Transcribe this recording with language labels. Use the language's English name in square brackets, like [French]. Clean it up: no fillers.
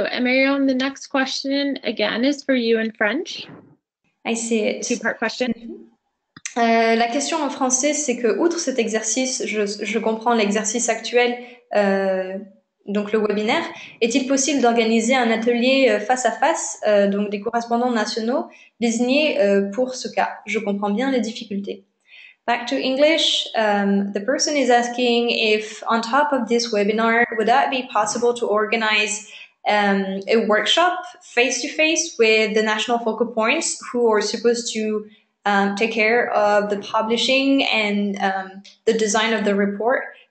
[English] And Marion, the next question again is for you in French. I see it. Two-part question. [French] La question en français, c'est que outre cet exercice, je comprends l'exercice actuel, donc le webinaire, est-il possible d'organiser un atelier face à face, donc des correspondants nationaux désignés pour ce cas? Je comprends bien les difficultés. [English] Back to English, the person is asking if on top of this webinar, would that be possible to organize a workshop face-to-face with the national focal points who are supposed to take care of the publishing and the design of the report?